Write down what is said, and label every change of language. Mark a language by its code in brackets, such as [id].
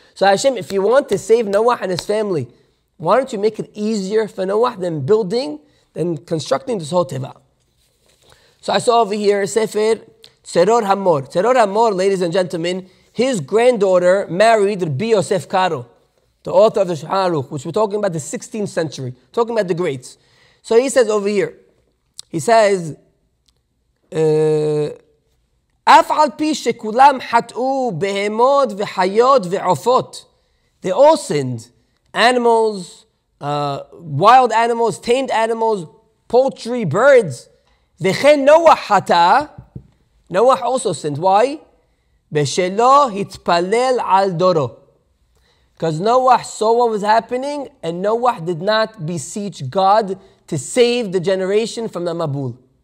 [en] So Hashem, if you want to save Noah and his family, why don't you make it easier for Noah than building, than constructing this whole teva? So I saw over here, Sefer Tseror Hamor. Tseror Hamor, ladies and gentlemen, his granddaughter married Rabbi Yosef Karo, the author of the Shulchan Aruch, which we're talking about the 16th century, talking about the greats. So he says over here, he says, [he] אף על פי שכולם חטאו בהמות וחיות ועופות. [en] They all sinned. Animals, wild animals, tamed animals, poultry, birds. [he] וכן נוח חטא. [en] Noah also sinned. Why? [he] בשלו התפלל על דורו. [en] Because Noah saw what was happening and Noah did not beseech God to save the generation from the Mabul.